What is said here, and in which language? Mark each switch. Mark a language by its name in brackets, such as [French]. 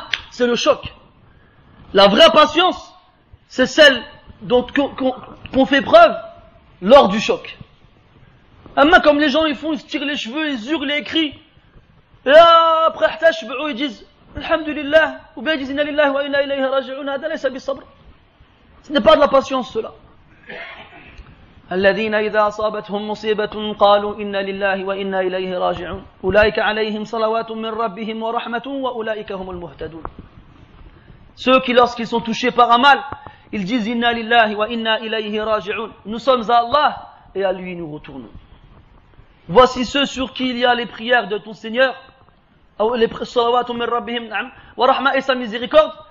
[French] C'est le choc. La vraie patience, c'est celle dont qu'on fait preuve lors du choc. Comme les gens, ils font, ils se tirent les cheveux, ils hurlent, ils crient. Et après, ils disent Alhamdulillah, ou bien ils disent [Arabic] Inna lillahi wa inna ilayhi raji'un, hada laysa bis-sabr. [French] Ce n'est pas de la patience, cela. [Arabic] الذين إذا أصابتهم مصيبة قالوا إنا لله وإنا إليه راجعون أولئك عليهم صلوات من ربهم ورحمة وأولئك هم المهتدون. [French] Ceux qui lorsqu'ils sont touchés par un mal, ils disent [Arabic] إنا لله وإنا إليه راجعون. [French] Nous sommes à Allah et à lui nous retournons. Voici ceux sur qui il y a les prières de ton Seigneur, ou les [Arabic] صلوات من ربهم نعم ورحمة [French] et sa miséricorde.